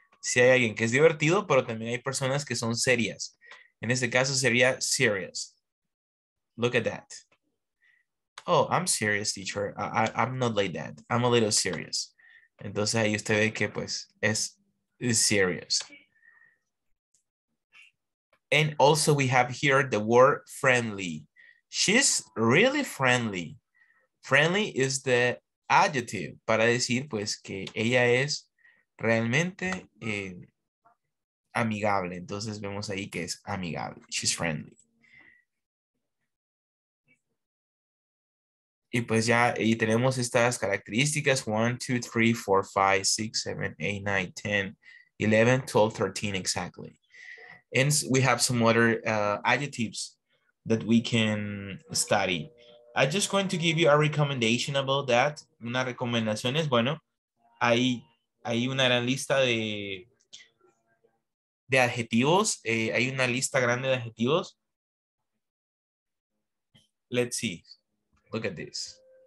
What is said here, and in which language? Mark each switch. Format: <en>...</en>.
<es>Si hay alguien que es divertido, pero también hay personas que son serias. En este caso sería serious.</es> <en>Look at that. Oh, I'm serious, teacher. I'm not like that. I'm a little serious.</en> <es>Entonces ahí usted ve que pues es serious.</es> <en>And also we have here the word friendly. She's really friendly. Friendly is the adjective</en> <es>para decir pues que ella es realmente amigable. Entonces vemos ahí que es amigable.</es> <en>She's friendly.</en> <es>Y pues ya y tenemos estas características. 1, 2, 3, 4, 5, 6, 7, 8, 9, 10, 11, 12, 13 exactly.</es> <en>And we have some other adjectives that we can study. I'm just going to give you a recommendation about that.</en> <es>Una recomendación es, bueno, hay una gran lista de adjetivos. Hay una lista grande de adjetivos.</es> <en>Let's see. Look at this.</en>